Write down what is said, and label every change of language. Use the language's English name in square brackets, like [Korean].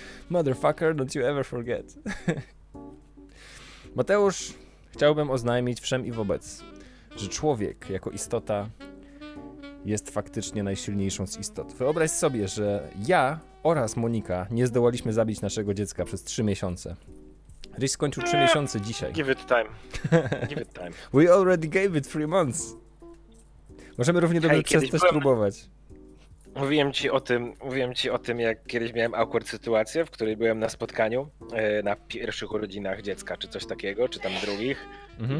[English] Motherfucker, don't you ever forget. [Polish] Mateusz, chciałbym oznajmić wszem i wobec, że człowiek jako istota jest faktycznie najsilniejszą z istot. Wyobraź sobie, że ja oraz Monika nie zdołaliśmy zabić naszego dziecka przez 3 miesiące. Ryś skończył 3 miesiące dzisiaj. [English] Give it time. We already gave it 3 months. [Polish] Możemy równie dobrze przez to spróbować. Mówiłem ci o tym, jak kiedyś miałem awkward sytuację, w której byłem na spotkaniu na pierwszych urodzinach dziecka, czy coś takiego, czy tam drugich. Mm-hmm.